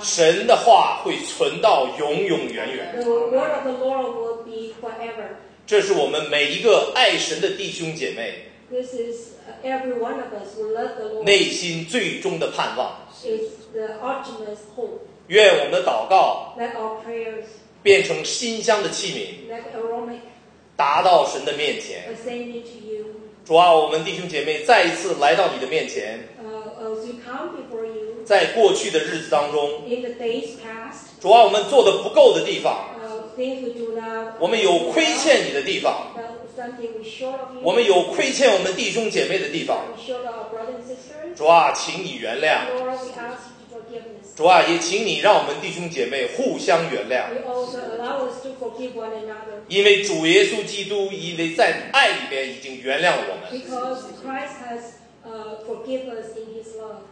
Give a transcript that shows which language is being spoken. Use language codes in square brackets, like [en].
[zh] 神的话会存到永永远远。 [en] The word of the Lord will be forever. [zh] 这是我们每一个爱神的弟兄姐妹。 [en] This is every one of us who love the Lord. [zh] 内心最终的盼望。 [en] It's the ultimate hope. [zh] 愿我们的祷告。 [en] Let our prayers. [zh] 变成馨香的器皿。 [en] Let aromatic. [zh] 达到神的面前。 [en] Ascend to you. [zh] 主啊，我们弟兄姐妹再一次来到你的面前。 [en] As we come before you. [zh] 在过去的日子当中 [en] in the days past, [zh] 主啊我们做的不够的地方 [en] things we do not, [zh] 我们有亏欠你的地方 [en] something we short of you, [zh] 我们有亏欠我们弟兄姐妹的地方 [en] we short of our brothers and sisters, [zh] 主啊请你原谅 [en] Lord, we ask you to forgiveness. [zh] 主啊也请你让我们弟兄姐妹互相原谅 [en] we also allow us to forgive one another. [zh] 因为主耶稣基督因为在爱里面已经原谅我们 [en] because Christ has, forgive us in his love.